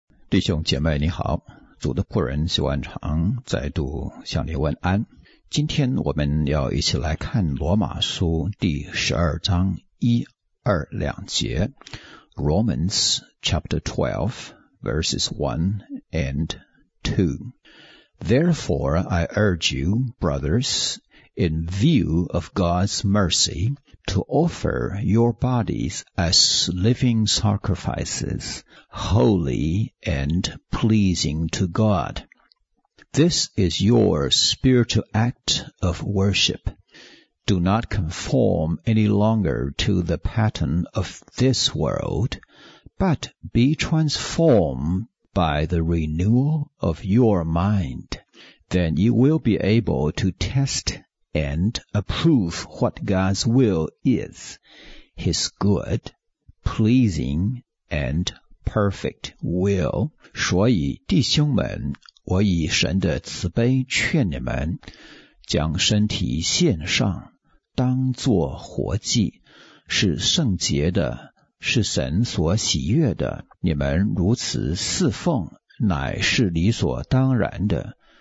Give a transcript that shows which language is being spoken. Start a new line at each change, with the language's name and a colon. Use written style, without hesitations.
Chinese: 弟兄姐妹你好，主的仆人希万长再度向你问安。今天我们要一起来看罗马书第十二章一二两节，
English: Romans chapter 12 verses 1 and 2. Therefore I urge you, brothers, in view of God's mercy, to offer your bodies as living sacrifices, holy and pleasing to God. This is your spiritual act of worship. Do not conform any longer to the pattern of this world, but be transformed by the renewal of your mind. Then you will be able to test and approve what God's will is, His good, pleasing, and perfect will.
Chinese: 所以弟兄们，我以神的慈悲劝你们，将身体献上，当作活祭，是圣洁的，是神所喜悦的。你们如此侍奉，乃是理所当然的。